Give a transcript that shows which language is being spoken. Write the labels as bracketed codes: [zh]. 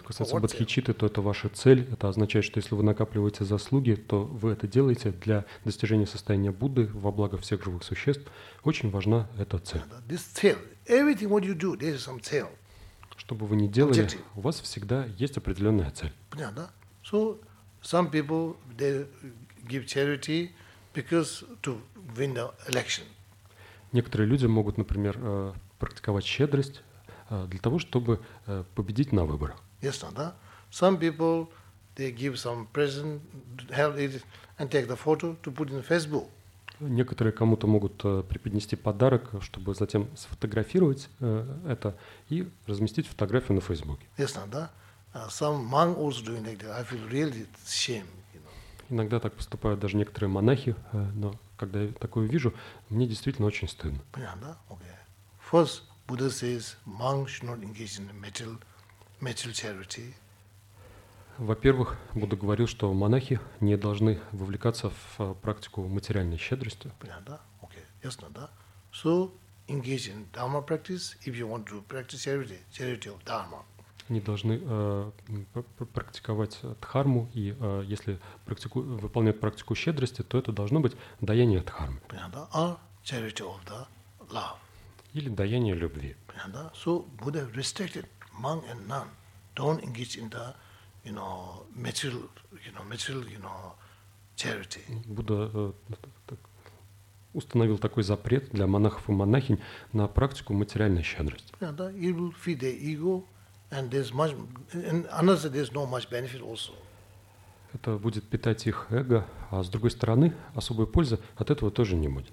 [ru] Что касается бодхичитты, то это ваша цель. Это означает, что если вы накапливаете заслуги, то вы это делаете для достижения состояния Будды во благо всех живых существ. Очень важна эта цель. [en] This cell. Everything what you do, there is some cell. [ru] Что бы вы ни делали, у вас всегда есть определенная цель. Понятно? [en] So some people they give charity because to win the election. [ru] Некоторые люди могут, например, практиковать щедрость для того, чтобы победить на выборах. [en] Yes, no, no. Some people they give some present, help it and take the photo to put in Facebook. [ru] Некоторые кому-то могут преподнести подарок, чтобы затем сфотографировать это и разместить фотографию на Фейсбуке. [en] Yes, no, no. Some monk also doing like that. I feel really shame. [ru] Иногда так поступают даже некоторые монахи, но когда я такое вижу, мне действительно очень стыдно. Понятно, да? Okay. [en] First, Buddha says, monks should not engage in material charity. [ru] Во-первых, Будда говорил, что монахи не должны вовлекаться в практику материальной щедрости. Понятно, да? [en] Okay. [ru] Ясно, да? [en] So, engage in dharma practice, if you want to practice charity, charity of dharma. [ru] Не должны практиковать дхарму, и если выполняют практику щедрости, то это должно быть даяние дхармы. Понятно? А [en] charity of the love. [ru] Или даяние любви. Понятно? [en] So Buddha restricted monk and nun don't engage in the, material charity. [ru] Будда установил такой запрет для монахов и монахинь на практику материальной щедрости. Понятно? [en] It will feed their ego. And there's much, and another there's no much benefit also. [ru] Это будет питать их эго, а с другой стороны, особой пользы от этого тоже не будет.